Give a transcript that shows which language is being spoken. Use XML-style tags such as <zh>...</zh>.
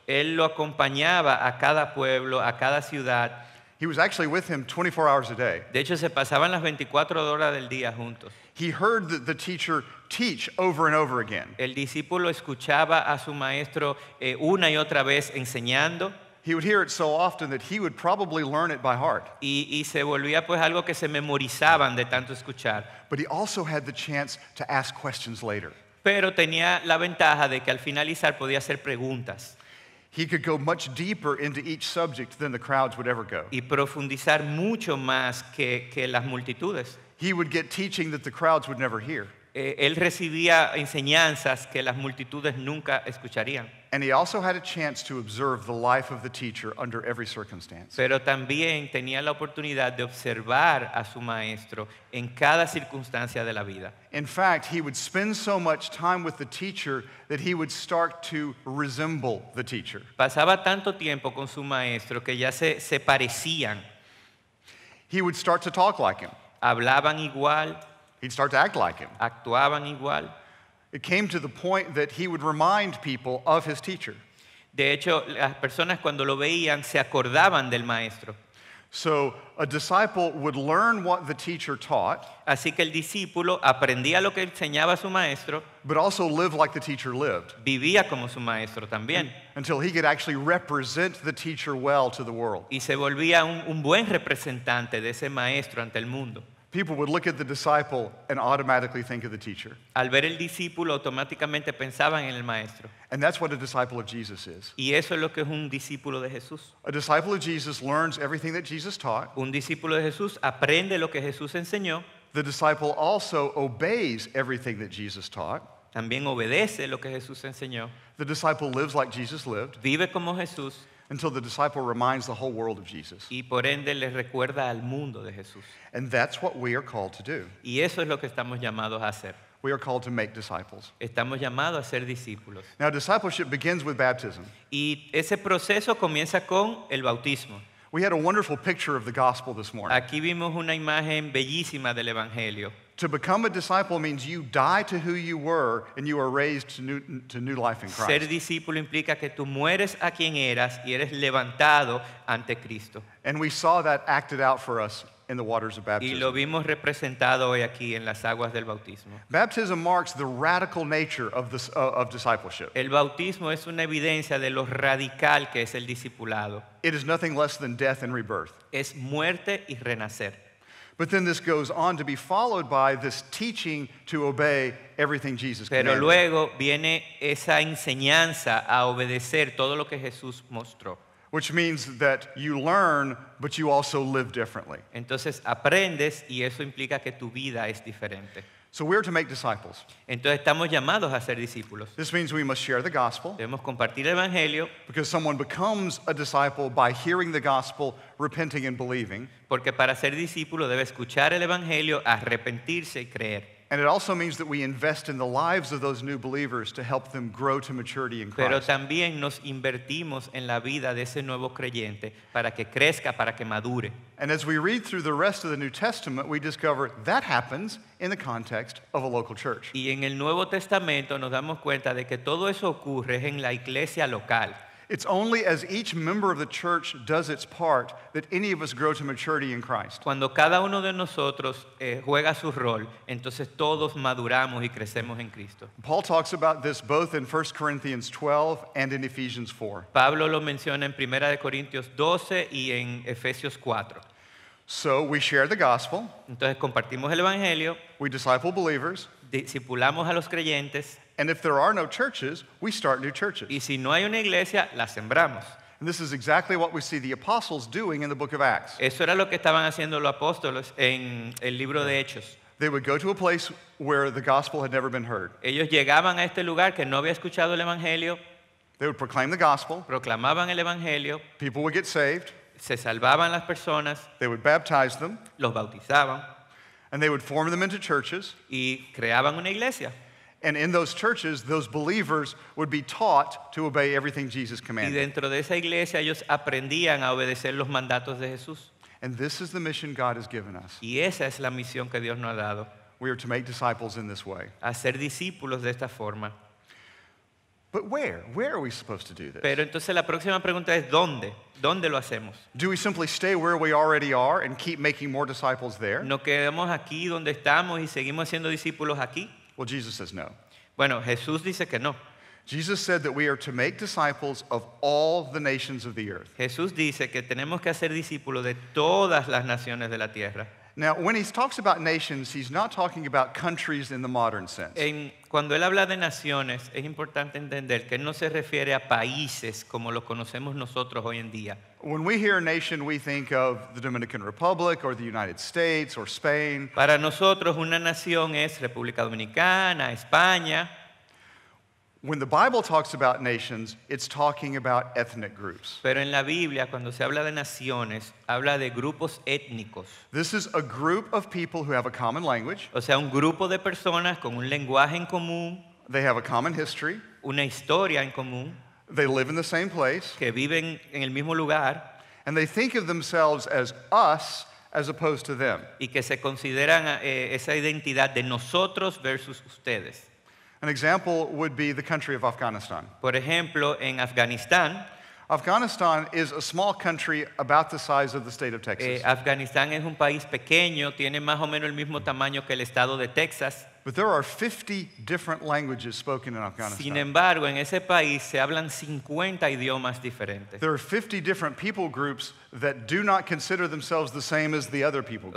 <es>Él lo acompañaba a cada pueblo, a cada ciudad.</es> <en>He was actually with him 24 hours a day.</en> <es>De hecho, se pasaban las 24 horas del día juntos.</es> <en>He heard the teacher teach over and over again.</en> <es>El discípulo escuchaba a su maestro una y otra vez enseñando.</es> <en>He would hear it so often that he would probably learn it by heart.</en> <es>Y se volvía pues algo que se memorizaban de tanto escuchar.</es> <en>But he also had the chance to ask questions later.</en> <es>Pero tenía la ventaja de que al finalizar podía hacer preguntas.</es> <en>He could go much deeper into each subject than the crowds would ever go.</en> <es>Y profundizar mucho más que las multitudes.</es> <en>He would get teaching that the crowds would never hear.</en> <es>Él recibía enseñanzas que las multitudes nunca escucharían.</es> <en>And he also had a chance to observe the life of the teacher under every circumstance.</en> <es>Pero también tenía la oportunidad de observar a su maestro en cada circunstancia de la vida.</es> <en>In fact, he would spend so much time with the teacher that he would start to resemble the teacher.</en> <es>Pasaba tanto tiempo con su maestro que ya se parecían.</es> <en>He would start to talk like him.</en> <es>Hablaban igual.</es> <en>He'd start to act like him.</en> <es>Actuaban igual.</es> <en>It came to the point that he would remind people of his teacher.</en> <es>De hecho, las personas cuando lo veían se acordaban del maestro.</es> <en>So a disciple would learn what the teacher taught.</en> <es>Así que el discípulo aprendía lo que enseñaba su maestro.</es> <en>But also lived like the teacher lived.</en> <es>Vivía como su maestro también.</es> <en>Until he could actually represent the teacher well to the world.</en> <es>Y se volvía un buen representante de ese maestro ante el mundo.</es> <en>People would look at the disciple and automatically think of the teacher.</en> <es>Al ver el discípulo, automáticamente pensaban en el maestro.</es> <en>And that's what a disciple of Jesus is.</en> <es>Y eso es lo que es un discípulo de Jesús.</es> <en>A disciple of Jesus learns everything that Jesus taught.</en> <es>Un discípulo de Jesús aprende lo que Jesús enseñó.</es> <en>The disciple also obeys everything that Jesus taught.</en> <es>También obedece lo que Jesús enseñó.</es> <en>The disciple lives like Jesus lived.</en> <es>Vive como Jesús.</es> <en>Until the disciple reminds the whole world of Jesus.</en> <es>Y por ende le recuerda al mundo de Jesús.</es> <en>And that's what we are called to do.</en> <es>Y eso es lo que estamos llamados a hacer.</es> <en>We are called to make disciples.</en> <es>Estamos llamados a ser discípulos.</es> <en>Now discipleship begins with baptism.</en> <es>Y ese proceso comienza con el bautismo.</es> <en>We had a wonderful picture of the gospel this morning.</en> <es>Aquí vimos una imagen bellísima del evangelio.</es> <en>To become a disciple means you die to who you were and you are raised to new life in Christ.</en> <es>Ser discípulo implica que tú mueres a quien eras y eres levantado ante Cristo.</es> <en>And we saw that acted out for us in the waters of baptism.</en> <es>Y lo vimos representado hoy aquí en las aguas del bautismo.</es> <en>Baptism marks the radical nature of this, of discipleship.</en> <es>El bautismo es una evidencia de lo radical que es el discipulado.</es> <en>It is nothing less than death and rebirth.</en> <es>Es muerte y renacer.</es> <en>But then this goes on to be followed by this teaching to obey everything Jesus commanded.</en> <es>Pero luego viene esa enseñanza a obedecer todo lo que Jesús mostró.</es> <en>Which means that you learn, but you also live differently.</en> <es>Entonces aprendes y eso implica que tu vida es diferente.</es> <en>So we are to make disciples.</en> <es>Entonces estamos llamados a ser discípulos.</es> <en>This means we must share the gospel.</en> <es>Debemos compartir el evangelio.</es> <en>Because someone becomes a disciple by hearing the gospel, repenting and believing.</en> <es>Porque para ser discípulo debe escuchar el evangelio, arrepentirse y creer.</es> <en>And it also means that we invest in the lives of those new believers to help them grow to maturity in Christ.</en> <es>Pero también nos invertimos en la vida de ese nuevo creyente para que crezca, para que madure.</es> <en>And as we read through the rest of the New Testament, we discover that happens in the context of a local church.</en> <es>Y en el Nuevo Testamento nos damos cuenta de que todo eso ocurre en la iglesia local.</es> <en>It's only as each member of the church does its part that any of us grow to maturity in Christ.</en> <es>Cuando cada uno de nosotros juega su rol, entonces todos maduramos y crecemos en Cristo.</es> <en>Paul talks about this both in 1 Corinthians 12 and in Ephesians 4.</en> <es>Pablo lo menciona en 1 Corintios 12 y en Efesios 4.</es> <en>So we share the gospel.</en> <es>Entonces compartimos el evangelio.</es> <en>We disciple believers.</en> <es>Discipulamos a los creyentes.</es> <en>And if there are no churches, we start new churches.</en> <es>Y si no hay una iglesia, la sembramos.</es> <en>And this is exactly what we see the apostles doing in the book of Acts.</en> <es>Eso era lo que estaban haciendo los apóstoles en el libro de Hechos.</es> <en>They would go to a place where the gospel had never been heard.</en> <es>Ellos llegaban a este lugar que no había escuchado el evangelio.</es> <en>They would proclaim the gospel.</en> <es>Proclamaban el evangelio.</es> <en>People would get saved.</en> <es>Se salvaban las personas.</es> <en>They would baptize them.</en> <es>Los bautizaban.</es> <en>And they would form them into churches.</en> <es>Y creaban una iglesia.</es> <en>And in those churches, those believers would be taught to obey everything Jesus commanded.</en> <es>Y dentro de esa iglesia, ellos aprendían a obedecer los mandatos de Jesús.</es> <en>And this is the mission God has given us.</en> <es>Y esa es la misión que Dios nos ha dado.</es> <en>We are to make disciples in this way.</en> <es>Hacer discípulos de esta forma.</es> <en>But where? Where are we supposed to do this?</en> <es>Pero entonces la próxima pregunta es ¿dónde? ¿Dónde lo hacemos?</es> <en>Do we simply stay where we already are and keep making more disciples there?</en> <es>¿Nos quedamos aquí donde estamos y seguimos siendo discípulos aquí?</es> <en>Well, Jesus says no.</en> <es>Bueno, Jesús dice que no.</es> <en>Jesus said that we are to make disciples of all the nations of the earth.</en> <es>Jesús dice que tenemos que hacer discípulos de todas las naciones de la tierra.</es> <en>Now, when he talks about nations, he's not talking about countries in the modern sense.</en> <es>En cuando él habla de naciones, es importante entender que él no se refiere a países como lo conocemos nosotros hoy en día.</es> <en>When we hear a nation, we think of the Dominican Republic or the United States or Spain.</en> <es>Para nosotros, una nación es República Dominicana, España.</es> <en>When the Bible talks about nations, it's talking about ethnic groups.</en> <es>Pero en la Biblia, cuando se habla de naciones, habla de grupos étnicos.</es> <en>This is a group of people who have a common language.</en> <es>O sea, un grupo de personas con un lenguaje en común.</es> <en>They have a common history.</en> <es>Una historia en común.</es> <en>They live in the same place.</en> <es>Que viven en el mismo lugar.</es> <en>And they think of themselves as us as opposed to them.</en> <es>Y que se consideran esa identidad de nosotros versus ustedes.</es> <en>An example would be the country of Afghanistan.</en> <es>Por ejemplo, en Afganistán.</es> <en>Afghanistan is a small country about the size of the state of Texas.</en> <es>Afganistán es un país pequeño, tiene más o menos el mismo tamaño que el estado de Texas.</es> <en>But there are 50 different languages spoken in Afghanistan.</en> <es>Sin embargo, en ese país se hablan 50 idiomas diferentes.</es> <en>There are 50 different people groups that do not consider themselves the same as the other people groups.</en>